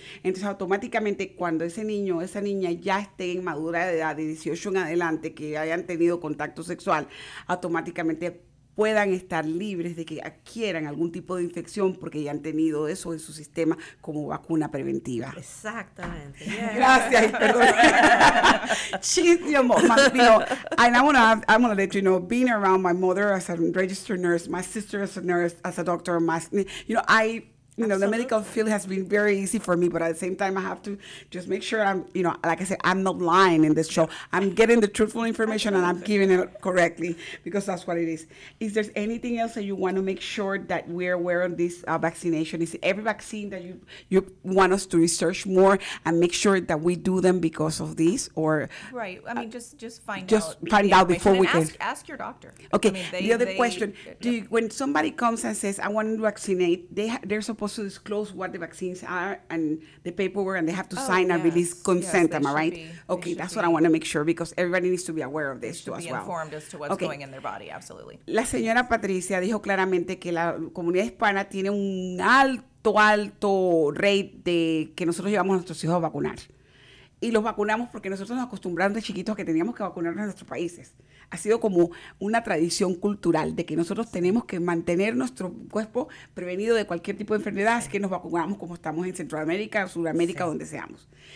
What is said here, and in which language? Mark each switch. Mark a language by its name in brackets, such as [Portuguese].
[Spanish] Entonces, automáticamente, cuando ese niño o esa niña ya esté en madura de edad, de 18 en adelante, que hayan tenido contacto sexual, automáticamente puedan estar libres de que adquieran algún tipo de infección porque ya han tenido eso en su sistema como vacuna preventiva. Exactamente. Gracias. Perdón. [English] She's I'm gonna let you know, being around my mother as a registered nurse, my sister as a nurse, as a doctor, Absolutely. The medical field has been very easy for me, but at the same time, I have to just make sure I'm, you know, like I said, I'm not lying in this show. I'm getting the truthful information and I'm giving it correctly because that's what it is. Is there anything else that you want to make sure that we're aware of this vaccination? Is it every vaccine that you want us to research more and make sure that we do them because of this? Just find out before we can. Ask your doctor. Okay. I mean, the other question, when somebody comes and says, I want to vaccinate, they're supposed supposed to disclose what the vaccines are and the paperwork, and they have to sign a release consent, am I right? Okay, that's what I want to make sure, because everybody needs to be aware of this too as well. Be informed as to what's going in their body, absolutely. [Spanish] La señora Patricia dijo claramente que la comunidad hispana tiene un alto rate de que nosotros llevamos a nuestros hijos a vacunar. Y los vacunamos porque nosotros nos acostumbramos de chiquitos a que teníamos que vacunarnos en nuestros países. Ha sido como una tradición cultural de que nosotros tenemos que mantener nuestro cuerpo prevenido de cualquier tipo de enfermedad, así que nos vacunamos como estamos en Centroamérica, Sudamérica, donde seamos.